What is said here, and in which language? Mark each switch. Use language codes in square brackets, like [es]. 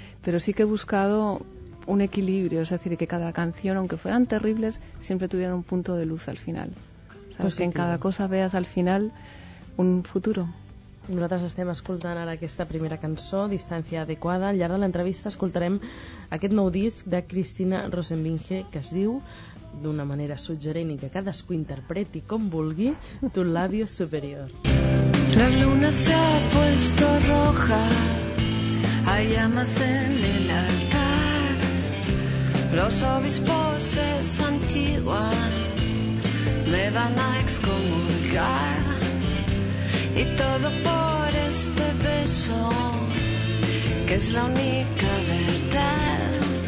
[es] Pero sí que he buscado un equilibrio, es decir, que cada canción, aunque fueran terribles, siempre tuvieran un punto de luz al final. ¿Sabes? Que en cada cosa veas al final un futuro. [ca] Nosaltres estem escoltant ara aquesta primera cançó, Distància Adequada. Al llarg de l'entrevista escoltarem aquest nou disc de Cristina Rosemilje, que es diu, d'una manera suggerent i que cadascú interpreti com vulgui, Tu Labio Superior. [es] La luna se ha puesto roja, hay llamas en el altar. Los obispos se santiguan, me van a excomulgar. Y todo por este beso, que es la única verdad.